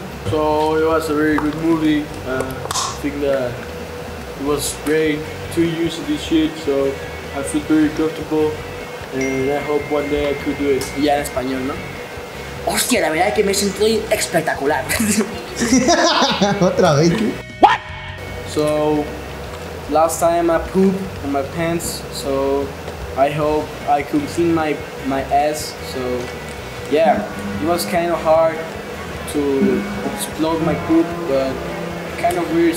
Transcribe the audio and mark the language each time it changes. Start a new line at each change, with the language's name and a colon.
English: So it was a very good movie. I think that it was great. 2 years of this shit, so I feel very comfortable. And I hope one day I could do it.
Spanish: Ya en español, ¿no? Hostia, la verdad es que me siento espectacular. Otra vez.
English: What? So last time I pooped in my pants, so I hope I could clean my ass. So yeah, it was kind of hard to explode my poop, but kind of weird.